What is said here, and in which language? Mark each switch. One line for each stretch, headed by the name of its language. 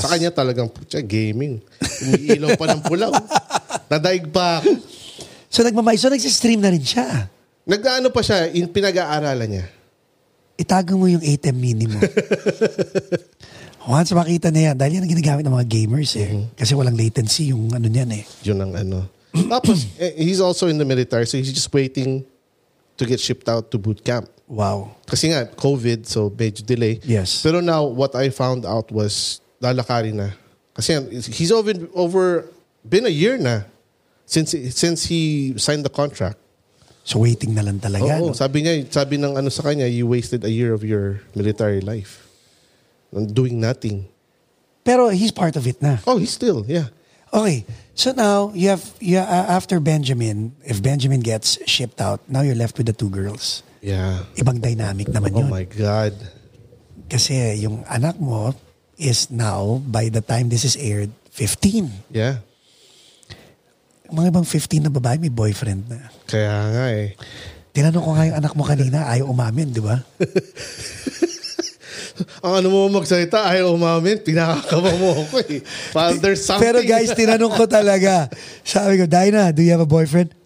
Filipino: Sa kanya talagang, gaming. Umiilong pa ng pula. Nadaig pa ako. So nagmamayso, nagsistream na rin siya. Nag-ano pa siya, yung pinag-aaralan niya. Itago mo yung ATM Mini mo. Once makita na yan, dahil yan ang ginagamit ng mga gamers eh. Mm-hmm. Kasi walang latency yung ano niyan eh. Yun ang ano.
English: Tapos, he's also in the military, so he's just waiting to get shipped out to boot camp. Wow.
Filipino: Kasi nga, COVID, so medyo delay.
English: Yes. Pero now, what I found out was,
Filipino: lalakari na.
English: Kasi he's been a year na. Since he signed the contract.
Filipino: So waiting na lang talaga. Oo, no? sabi ng ano sa kanya,
English: you wasted a year of your military life. Doing nothing. Pero he's part of it na. Oh, he's still, yeah. Okay, so now, after Benjamin, if Benjamin gets shipped out, now you're left with the two girls. Yeah.
Filipino: Ibang dynamic naman yun.
English: Oh my God.
Filipino: Kasi yung anak mo
English: is now, by the time this is aired, 15. Yeah.
Filipino: Mga ibang 15 na babae, may boyfriend na. Kaya nga eh. Tinanong ko nga yung anak mo kanina, ayaw umamin, di ba? Ang ano mo magsalita, ayaw umamin, pinakakaba mo ako eh.
English: Well, there's something.
Filipino: Pero guys, tinanong ko talaga. Sabi ko,
English: Dina, do you have a boyfriend?